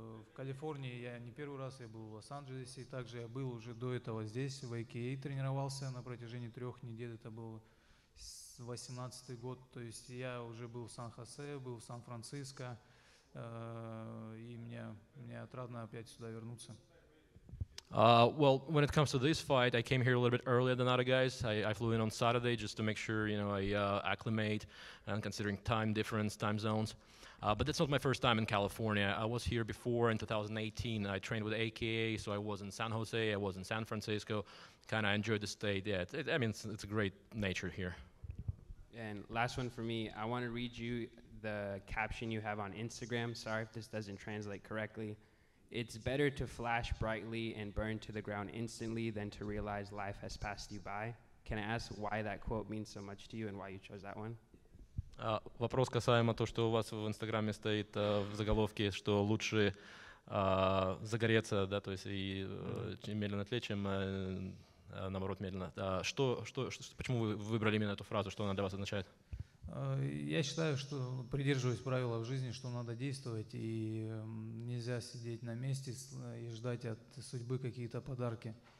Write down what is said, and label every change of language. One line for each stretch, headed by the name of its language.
Russian: В Калифорнии я не первый раз, я был в Лос-Анджелесе, и также я был уже до этого здесь, в АКА тренировался на протяжении 3 недель, это был 18-й год, то есть я уже был в Сан-Хосе, был в Сан-Франциско, и мне отрадно опять сюда вернуться.
English: Well, when it comes to this fight, I came here a little bit earlier than other guys. I flew in on Saturday just to make sure, you know, I acclimate, and considering time difference, time zones. But that's not my first time in California. I was here before in 2018. I trained with AKA, so I was in San Jose, I was in San Francisco. Kind of enjoyed the state. Yeah, it's a great nature here. And last one for me. I want to read you the caption you have on Instagram. Sorry if this doesn't translate correctly. It's better to flash brightly and burn to the ground instantly than to realize life has passed you by. Can I ask why that quote means so much to you and why you chose that one?
Russian: Вопрос касаемо того, что у вас в Инстаграме стоит в заголовке, что лучше загореться, да, то есть и медленно отлечь, чем наоборот медленно. Почему вы выбрали именно эту фразу, что она для вас означает? Я считаю, что придерживаюсь правила в жизни, что надо действовать, и нельзя сидеть на месте и ждать от судьбы какие-то подарки.